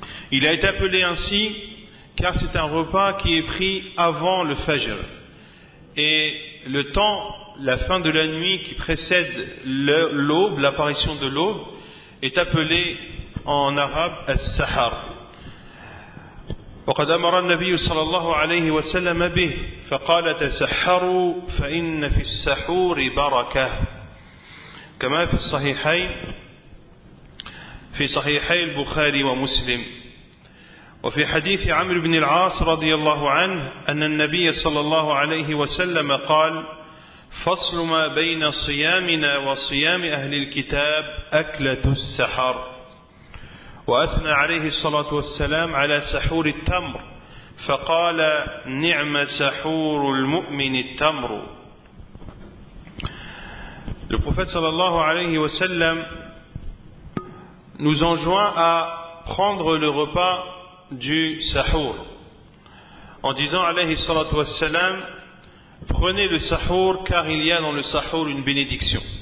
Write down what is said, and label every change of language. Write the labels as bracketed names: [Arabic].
[French] Il a été appelé ainsi car c'est un repas qui est pris avant le fajr. Et le temps, la fin de la nuit qui précède l'aube, l'apparition de l'aube, est appelé en arabe al-sahar. [Arabic] وقد أمر النبي صلى الله عليه وسلم به فقال تسحروا فإن في السحور بركة كما في الصحيحين في صحيحي البخاري ومسلم وفي حديث عمرو بن العاص رضي الله عنه أن النبي صلى الله عليه وسلم قال فصل ما بين صيامنا وصيام أهل الكتاب أكلة السحر وأثنى عليه الصلاة والسلام على سحور التمر فقال نعم سحور المؤمن التمر. [French] Le prophète sallallahu alayhi wa sallam nous enjoint à prendre le repas du sahour en disant alayhi sallatu wassalam, prenez le sahour car il y a dans le sahour une bénédiction.